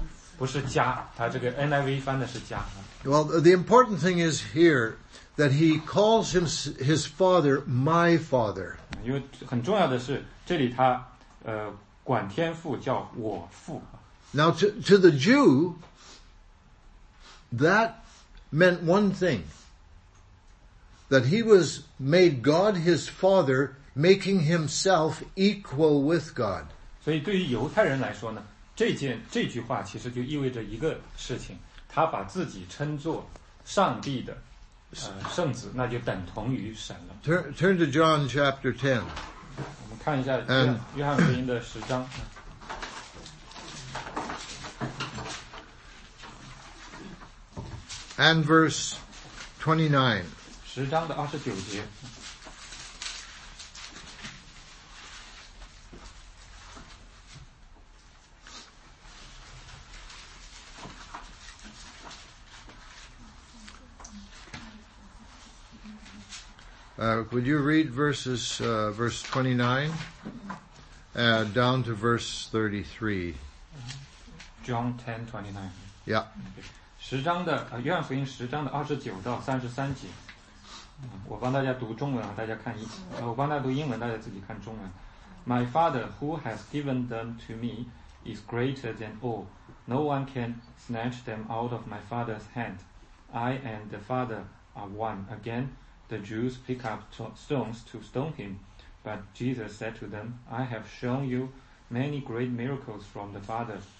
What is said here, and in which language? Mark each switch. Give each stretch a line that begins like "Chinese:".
Chinese: 所以他说呢，原文应该是以我父的事为念，事啊，不是家。他这个 NIV 翻的是家。
English: Well, the important thing is here that he calls his father my father.
Chinese: 因为很重要的是，这里他管天父叫我父。
English: Now to the Jew. That meant one thing, that he was made God his father, making himself equal with God.
Chinese: 所以对于犹太人来说呢，这句话其实就意味着一个事情，他把自己称作上帝的圣子，那就等同于神了。
English: Turn to John chapter 10.
Chinese: 我们看一下约翰福音的十章。
English: And verse 29.
Chinese: 十章的29节。
English: Would you read verse 29 down to verse 33? John 10:29. Yeah. Okay.
Chinese: 十章的约翰福音十章的二十九到三十三节，我帮大家读中文啊，大家看一，我帮大家读英文，大家自己看中文。
English: My father, who has given them to me, is greater than all. No one can snatch them out of my father's hand. I and the father are one. Again, the Jews pick up stones to stone him, but Jesus said to them, "I have shown you many great miracles from the Father.